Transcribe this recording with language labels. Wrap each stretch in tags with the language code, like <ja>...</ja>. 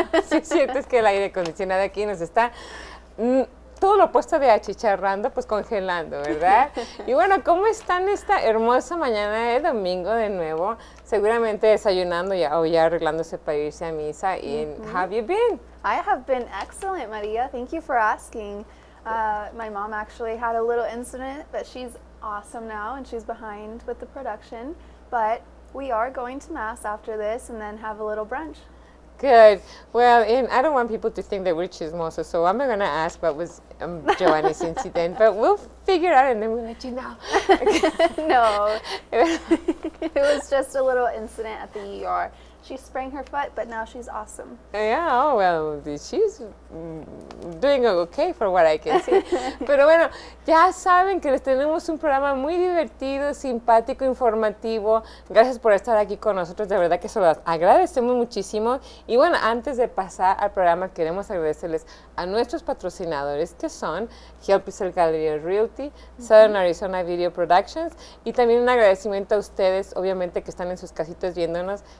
<es>Sí, siento es que el aire acondicionado aquí nos está... todo lo opuesto de achicharrando, pues congelando, ¿verdad? Y bueno, ¿cómo están esta hermosa mañana de domingo de nuevo? Seguramente desayunando ya, o ya arreglándose para irse a misa.</es> <en>¿Y have you been? I have been excellent, María. Thank you for asking. My mom actually had a little incident, but she's awesome now and she's behind with the production. But we are going to mass after this and then have a little brunch. Good. Well, and I don't want people to think that we're chismosos, so I'm not going to ask what was Joanny's incident, but we'll figure out and then we'll let you know. Okay. No. It was just a little incident at the ER. She sprained her foot, but now she's awesome. Yeah, oh, well, she's doing okay for what I can see.</en> <es>Pero bueno, ya saben que les tenemos un programa muy divertido, simpático, informativo. Gracias por estar aquí con nosotros. De verdad que se lo agradecemos muchísimo. Y bueno, antes de pasar al programa, queremos agradecerles a nuestros patrocinadores, que son Help Yourself Galería Realty, Southern Arizona Video Productions, y también un agradecimiento a ustedes, obviamente, que están en sus casitas viéndonos.</es>